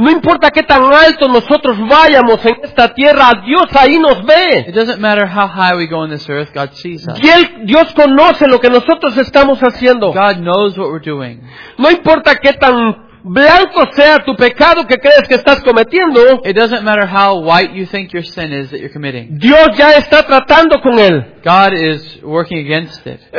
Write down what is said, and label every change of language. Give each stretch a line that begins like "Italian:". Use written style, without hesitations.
Spanish: No importa qué tan alto nosotros vayamos en esta tierra, Dios ahí nos ve.
English: It doesn't matter how high we go in this earth, God sees us.
Spanish: Dios conoce lo que nosotros estamos haciendo.
English: God knows what we're doing.
Spanish: No importa qué tan blanco sea tu pecado que crees que estás cometiendo.
English: It doesn't matter how white you think your sin is that you're committing.
Spanish: Dios ya está tratando con él.
English: God is working against it.